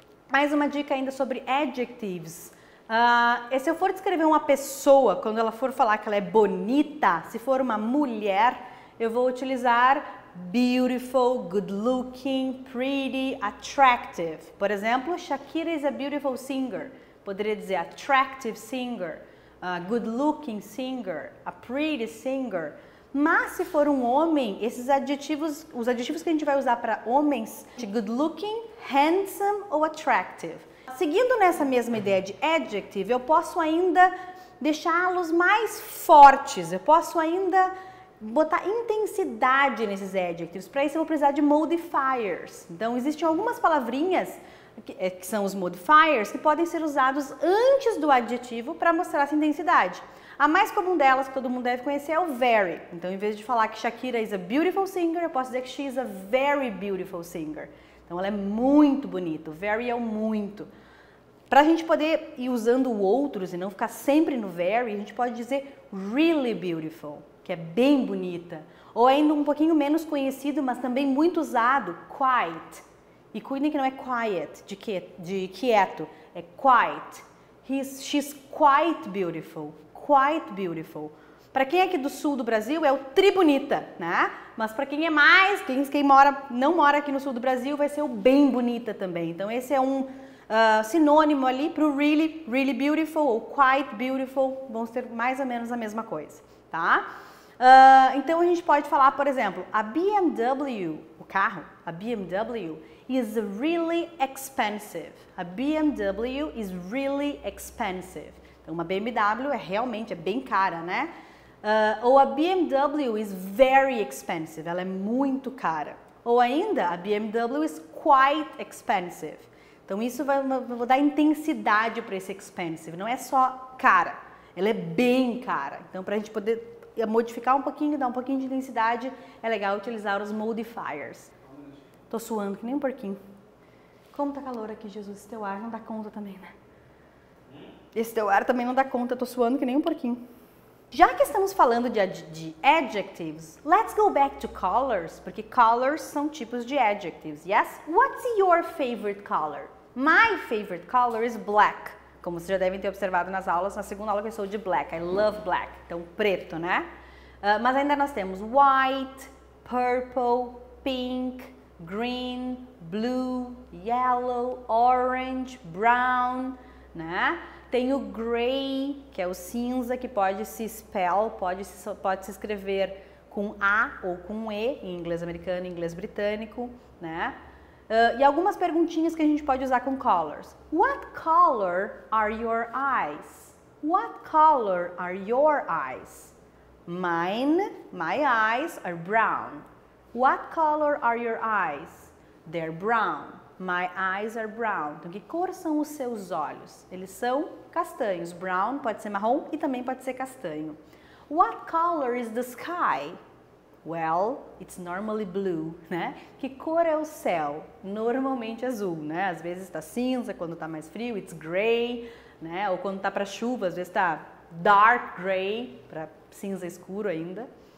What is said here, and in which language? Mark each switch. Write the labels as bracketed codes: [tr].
[pt] Mais uma dica ainda sobre adjectives. Se eu for descrever uma pessoa, quando ela for falar que ela é bonita, se for uma mulher, eu vou utilizar beautiful, good looking, pretty, attractive. Por exemplo, Shakira [en] is a beautiful singer. [pt] Poderia dizer [en] attractive singer, a good looking singer, a pretty singer. [pt] Mas se for um homem, esses adjetivos, os adjetivos que a gente vai usar para homens, de good looking, handsome ou attractive. Seguindo nessa mesma ideia de adjective, eu posso ainda deixá-los mais fortes, eu posso ainda botar intensidade nesses adjectives. Para isso eu vou precisar de modifiers. Então existem algumas palavrinhas que são os modifiers que podem ser usados antes do adjetivo para mostrar essa intensidade. A mais comum delas, que todo mundo deve conhecer, é o very. Então, em vez de falar que Shakira is a beautiful singer, eu posso dizer que [en] she is a very beautiful singer. [pt] Então, ela é muito bonita. Very é o muito. Para a gente poder ir usando outros e não ficar sempre no very, a gente pode dizer [en] really beautiful, [pt] que é bem bonita. Ou ainda um pouquinho menos conhecido, mas também muito usado, quite. E cuidem que não é quiet, de quieto, é quite. [en] She's quite beautiful, quite beautiful. [pt] Para quem é aqui do sul do Brasil, é o tri bonita, né? Mas para quem é mais, quem mora, não mora aqui no sul do Brasil, vai ser o bem bonita também. Então esse é um sinônimo ali para o [en] really, really beautiful [pt] ou [en] quite beautiful, [pt] vão ser mais ou menos a mesma coisa, tá? Então a gente pode falar, por exemplo, a BMW, o carro, a BMW, [en] is really expensive. A BMW is really expensive. [pt] Então uma BMW é realmente, é bem cara, né? Ou a BMW [en] is very expensive, [pt] ela é muito cara. Ou ainda, [en] a BMW is quite expensive. [pt] Então isso vou dar intensidade para esse expensive, não é só cara, ela é bem cara. Então para a gente poder modificar um pouquinho, dar um pouquinho de intensidade, é legal utilizar os modifiers. Tô suando que nem um porquinho. Como tá calor aqui, Jesus, esse teu ar não dá conta também, né? Esse teu ar também não dá conta, tô suando que nem um porquinho. Já que estamos falando de adjectives, [en] let's go back to colors, [pt] porque colors são tipos de adjectives, yes? [en] What's your favorite color? My favorite color is black. [pt] Como vocês já devem ter observado nas aulas, na segunda aula que eu sou de black. [en] I love black. [pt] Então, preto, né? Mas ainda nós temos white, purple, pink, green, blue, yellow, orange, brown, né? Tem o gray, que é o cinza, que pode se spell, pode se escrever com A ou com E, em inglês americano, em inglês britânico, né? E algumas perguntinhas que a gente pode usar com colors. [en] What color are your eyes? What color are your eyes? Mine, my eyes are brown. What color are your eyes? They're brown. My eyes are brown. [pt] Então, que cor são os seus olhos? Eles são castanhos. Brown pode ser marrom e também pode ser castanho. [en] What color is the sky? Well, it's normally blue, né? [pt] Que cor é o céu? Normalmente azul, né? Às vezes tá cinza, quando tá mais frio, [en] it's gray, [pt] né? Ou quando tá pra chuva, às vezes tá dark gray, pra cinza escuro ainda.